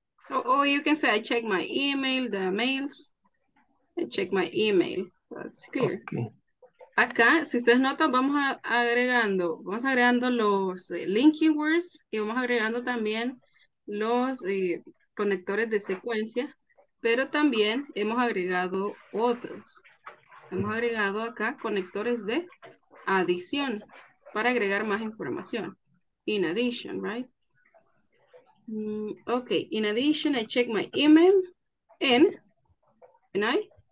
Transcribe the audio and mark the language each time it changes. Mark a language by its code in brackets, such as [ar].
[en] Oh, you can say, I check my email, the mails. I check my email. So that's clear. Okay. [es] Acá, si ustedes notan, vamos agregando los linking words y vamos agregando también los conectores de secuencia, pero también hemos agregado otros. Hemos agregado acá conectores de adición para agregar más información. [en] In addition, right? Okay, in addition, I check my email and I?